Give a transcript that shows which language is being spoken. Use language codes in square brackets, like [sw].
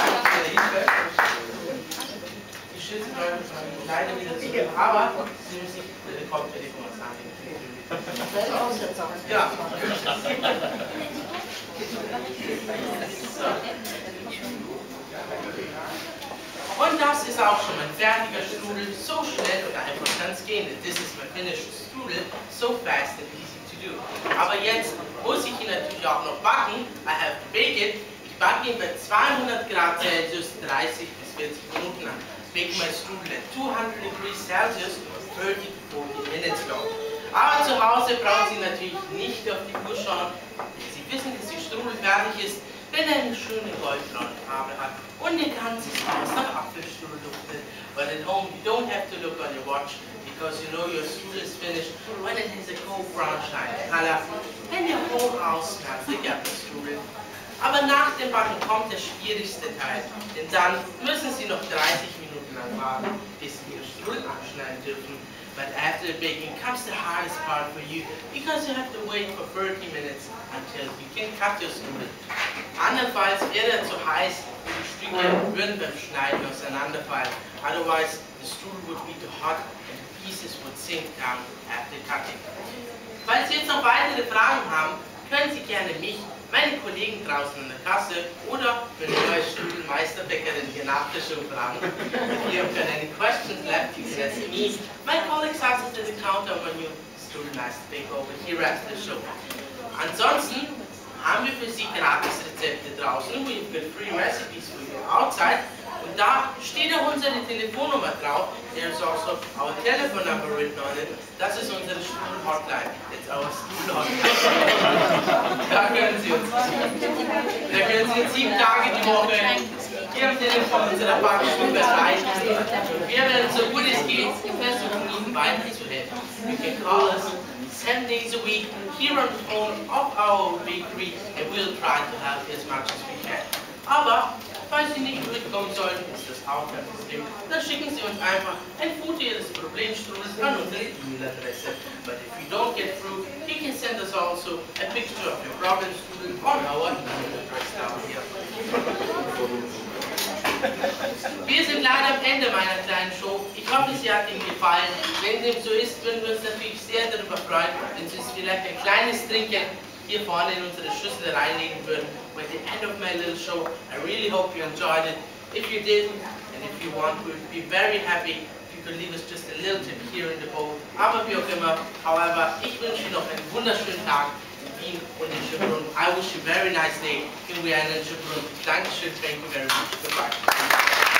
[de] Ich schütze euch leider wieder zurück, aber Sie müssen sich den Kopf bitte von uns anlegen. Ja. Und das ist auch schon mein fertiger Strudel, so schnell und einfach kann es gehen. [en] This is my finished Strudel, so fast and easy to do. [de] Aber jetzt muss ich ihn natürlich auch noch backen. [en] I have to bake it. [de] Ich backe ihn bei 200 Grad Celsius 30 bis 40 Minuten an. [en] Bake my Strudel at 200 degrees Celsius for 30 to 40 minutes long. [de] Aber zu Hause brauchen Sie natürlich nicht auf die Uhr schauen, denn Sie wissen, dass Ihr Strudel fertig ist, wenn er eine schöne goldbraune Farbe hat. Und ihr ganzes Haus nach Apfelstrudel duftet. [en] But at home, you don't have to look on your watch, because you know your strudel is finished when it has a cold brown shiny color. And your whole house smells like Apfelstrudel. [de] Aber nach dem Backen kommt der schwierigste Teil, denn dann müssen Sie noch 30 Minuten lang warten, bis Sie Ihr Strudel abschneiden dürfen. [en] But after the baking comes the hardest part for you, because you have to wait for 30 minutes until you can cut your strudel. [de] Andernfalls wäre er zu heiß, die Stücke würden beim Schneiden auseinanderfallen. [en] Otherwise, the strudel would be too hot and the pieces would sink down after cutting. [de] Falls Sie jetzt noch weitere Fragen haben, können Sie gerne mich, meine Kollegen draußen an der Kasse oder für die neue Strudelmeisterbäckerin hier nach der Show fragen. [en] If you have any questions left, you can ask me. My colleagues are at the counter of my new Strudelmeisterbäcker over here after the show. [de] Ansonsten haben wir für Sie gratis Rezepte draußen. [en] We have got free recipes for you outside. [de] Und da steht auch unsere Telefonnummer drauf. [en] There is also our telephone number written on it. [de] Das ist unsere Strudel-Hotline. [en] It's our Strudel-Hotline. [de] Da können Sie uns 7 Tage die Woche hier am Telefon unserer Backstube erreichen. Wir werden, so gut es geht, versuchen, Ihnen weiterzuhelfen. [en] You can call us 7 days a week here on the phone of our bakery and we'll try to help as much as we can. [de] Aber falls Sie nicht mitkommen sollten, ist das auch kein Problem. Dann schicken Sie uns einfach ein Foto Ihres Problemstrudels an unsere E-Mail-Adresse. [en] But if you don't get through, you can send us also a picture of your problem strudel on our E-Mail-Adresse down here. [de] Wir sind leider am Ende meiner kleinen Show. Ich hoffe, sie hat Ihnen gefallen. Wenn dem so ist, würden wir uns natürlich sehr darüber freuen, wenn Sie uns vielleicht ein kleines Trinken hier vorne in unsere Schüssel reinlegen würden. [en] By the end of my little show, I really hope you enjoyed it. If you did, and if you want, we'd be very happy if you could leave us just a little tip here in the bowl. [de] Aber wie auch immer, however, ich wünsche Ihnen noch einen wunderschönen Tag in Wien und in Schonbrunn. [en] I wish you a very nice day in Vienna and Schonbrunn. Dankeschön, thank you very much. Goodbye.